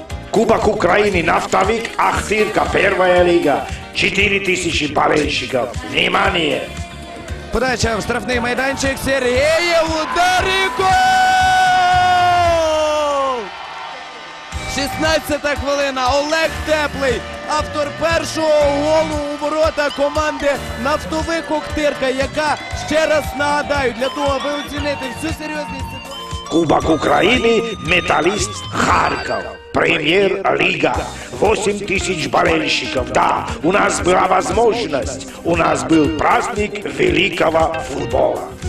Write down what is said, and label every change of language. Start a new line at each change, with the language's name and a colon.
Russian: Кубок Украины «Нафтовик», «Ахтырка», первая лига, 4000 болельщиков, внимание! Подача в штрафный майданчик, Сергеев, удар и гол!
Ukrainian: 16-та хвилина, Олег Теплий, автор першого голу у ворота команди «Нафтовик», «Ахтырка», яка, ще раз нагадаю, для того, аби оцінити всю серйозність...
Russian: Кубок Украины «Металіст», «Харков». Премьер-лига, 8000 болельщиков, да, у нас была возможность, у нас был праздник великого футбола.